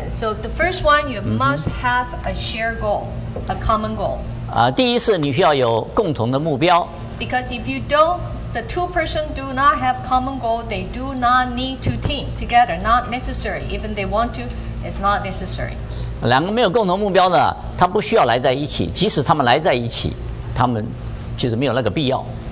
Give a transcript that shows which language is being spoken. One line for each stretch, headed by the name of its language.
English: So the first one, you must have a shared goal, a common goal.
Chinese: 第一是你需要有共同的目标。
English: Because if you don't, the two person do not have common goal, they do not need to team together, not necessary. Even they want to, it's not necessary.
Chinese: 两个没有共同目标呢，他不需要来在一起，即使他们来在一起，他们就是没有那个必要。